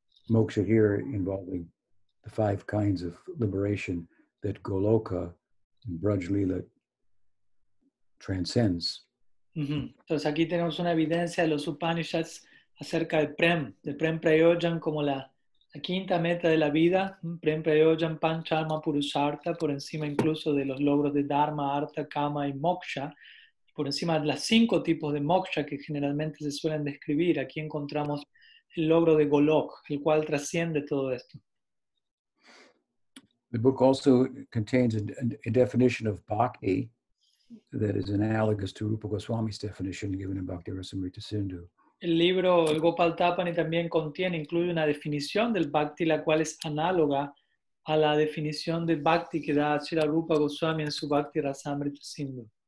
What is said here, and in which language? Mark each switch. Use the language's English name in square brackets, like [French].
[English] Moksha here involving the five kinds of liberation that Goloka and Braj Lila transcends. Mm-hmm. [Spanish] Entonces aquí tenemos una evidencia de los Upanishads acerca del Prem Prayojan como la quinta meta de la vida, Prem Prayojan Panchama Purusharta, por encima incluso de los logros de Dharma, Artha, Kama y Moksha, por encima de las cinco tipos de Moksha que generalmente se suelen describir, aquí encontramos el logro de Golok, el cual trasciende todo esto. [English] The book also contains a definition of Bhakti that is analogous to Rupa Goswami's definition given in Bhakti Rasamrita Sindhu. [Spanish] El libro, el Gopal Tapani también contiene, incluye una definición del Bhakti, la cual es análoga a la definición de Bhakti que da Srila Rupa Goswami en su Bhakti Rasamrita Sindhu.